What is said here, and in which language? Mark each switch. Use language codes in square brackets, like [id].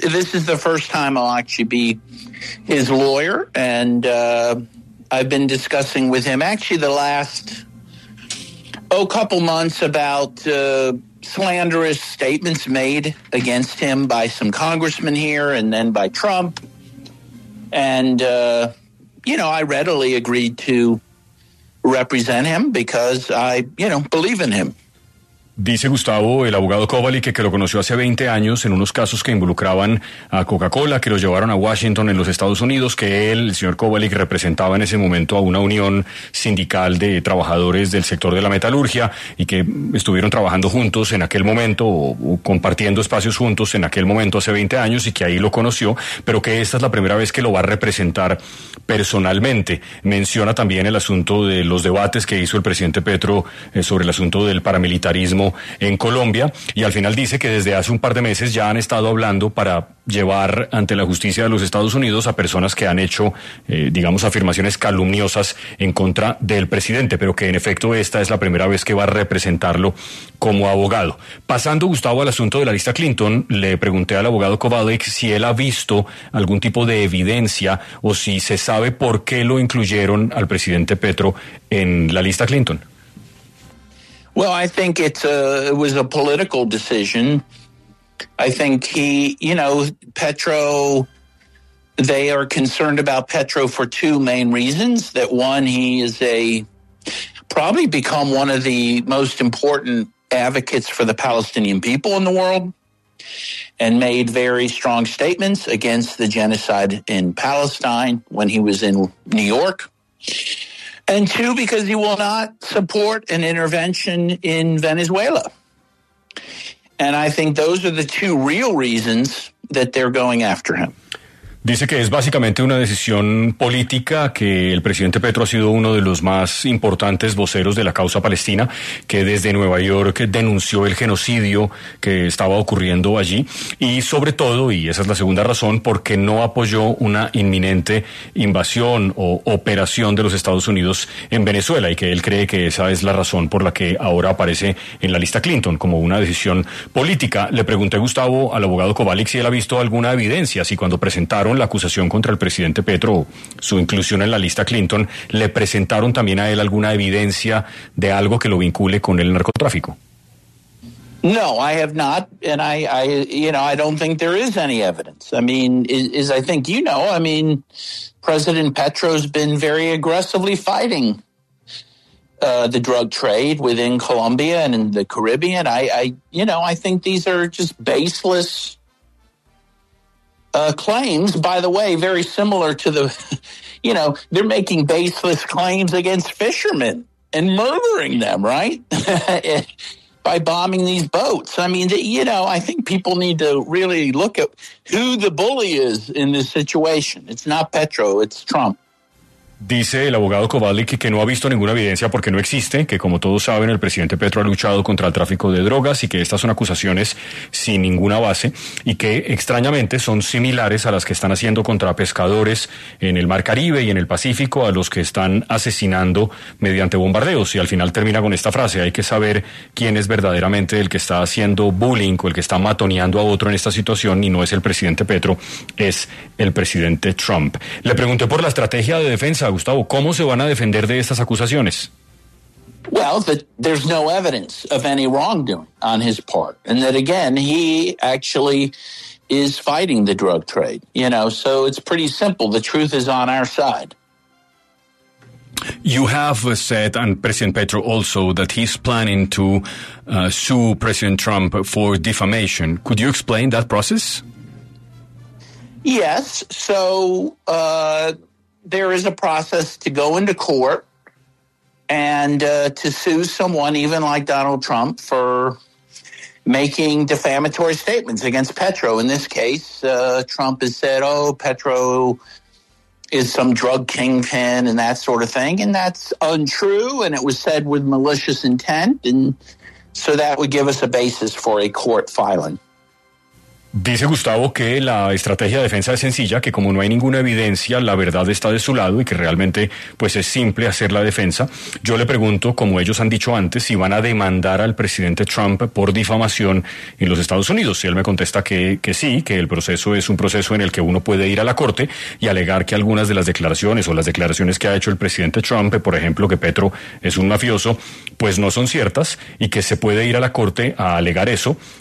[en] This is the first time I'll actually be his lawyer, and I've been discussing with him actually the last couple months about slanderous statements made against him by some congressmen here, and then by Trump. And you know, I readily agreed to represent him because I, you know, believe in him. [es] Dice Gustavo, el abogado Kovalik, que lo conoció hace 20 años en unos casos que involucraban a Coca-Cola, que lo llevaron a Washington en los Estados Unidos, que él, el señor Kovalik, representaba en ese momento a una unión sindical de trabajadores del sector de la metalurgia y que estuvieron trabajando juntos en aquel momento o compartiendo espacios juntos en aquel momento hace 20 años y que ahí lo conoció, pero que esta es la primera vez que lo va a representar personalmente. Menciona también el asunto de los debates que hizo el presidente Petro sobre el asunto del paramilitarismo en Colombia, y al final dice que desde hace un par de meses ya han estado hablando para llevar ante la justicia de los Estados Unidos a personas que han hecho, digamos, afirmaciones calumniosas en contra del presidente, pero que en efecto esta es la primera vez que va a representarlo como abogado. Pasando, Gustavo, al asunto de la lista Clinton, le pregunté al abogado Kovalik si él ha visto algún tipo de evidencia o si se sabe por qué lo incluyeron al presidente Petro en la lista Clinton. [en] Well, I think it was a political decision. I think he, you know, Petro, they are concerned about Petro for two main reasons. That one, he is probably become one of the most important advocates for the Palestinian people in the world and made very strong statements against the genocide in Palestine when he was in New York. And two, because he will not support an intervention in Venezuela. And I think those are the two real reasons that they're going after him. [es] Dice que es básicamente una decisión política, que el presidente Petro ha sido uno de los más importantes voceros de la causa palestina, que desde Nueva York denunció el genocidio que estaba ocurriendo allí, y sobre todo, y esa es la segunda razón, porque no apoyó una inminente invasión o operación de los Estados Unidos en Venezuela, y que él cree que esa es la razón por la que ahora aparece en la lista Clinton, como una decisión política. Le pregunté, Gustavo, al abogado Kovalik si él ha visto alguna evidencia, si cuando presentaron la acusación contra el presidente Petro, su inclusión en la lista Clinton, ¿le presentaron también a él alguna evidencia de algo que lo vincule con el narcotráfico? [en] No, I have not, and I you know, I don't think there is any evidence. I mean, is I think you know, I mean, President Petro's been very aggressively fighting the drug trade within Colombia and in the Caribbean. I you know, I think these are just baseless claims, by the way, very similar to the, you know, they're making baseless claims against fishermen and murdering them, right? By bombing these boats. I mean, you know, I think people need to really look at who the bully is in this situation. It's not Petro, it's Trump. [es] Dice el abogado Kovalik que no ha visto ninguna evidencia porque no existe, que como todos saben el presidente Petro ha luchado contra el tráfico de drogas y que estas son acusaciones sin ninguna base y que extrañamente son similares a las que están haciendo contra pescadores en el Mar Caribe y en el Pacífico, a los que están asesinando mediante bombardeos. Y al final termina con esta frase: hay que saber quién es verdaderamente el que está haciendo bullying o el que está matoneando a otro en esta situación, y no es el presidente Petro, es el presidente Trump. Le pregunté por la estrategia de defensa, Gustavo, ¿cómo se van a defender de estas acusaciones? [en] Well, that there's no evidence of any wrongdoing on his part, and that again, he actually is fighting the drug trade, you know, so it's pretty simple. The truth is on our side. You have said, and President Petro also, that he's planning to sue President Trump for defamation. Could you explain that process? Yes. So, there is a process to go into court and to sue someone, even like Donald Trump, for making defamatory statements against Petro. In this case, Trump has said, oh, Petro is some drug kingpin and that sort of thing. And that's untrue. And it was said with malicious intent. And so that would give us a basis for a court filing. [es] Dice Gustavo que la estrategia de defensa es sencilla, que como no hay ninguna evidencia, la verdad está de su lado y que realmente pues es simple hacer la defensa. Yo le pregunto, como ellos han dicho antes, si van a demandar al presidente Trump por difamación en los Estados Unidos. Y él me contesta que sí, que el proceso es un proceso en el que uno puede ir a la corte y alegar que algunas de las declaraciones o las declaraciones que ha hecho el presidente Trump, por ejemplo, que Petro es un mafioso, pues no son ciertas, y que se puede ir a la corte a alegar eso.